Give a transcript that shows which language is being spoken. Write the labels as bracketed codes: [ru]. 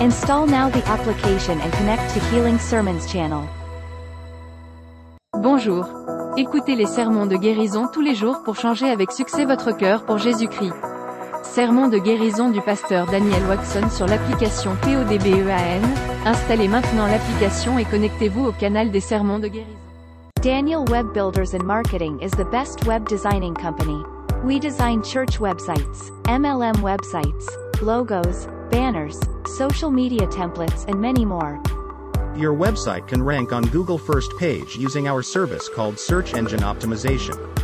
[en] Install now the application and connect to Healing Sermons channel. [fr] Bonjour. Écoutez les sermons de guérison tous les jours pour changer avec succès votre cœur pour Jésus-Christ. Sermon de guérison du pasteur Daniel Watson sur l'application PODBEAN. Installez maintenant l'application et connectez-vous au canal des sermons de guérison. [en] Daniel Web Builders and Marketing is the best web designing company. We design church websites, MLM websites, logos, banners, social media templates and many more. Your website can rank on Google first page using our service called Search Engine Optimization.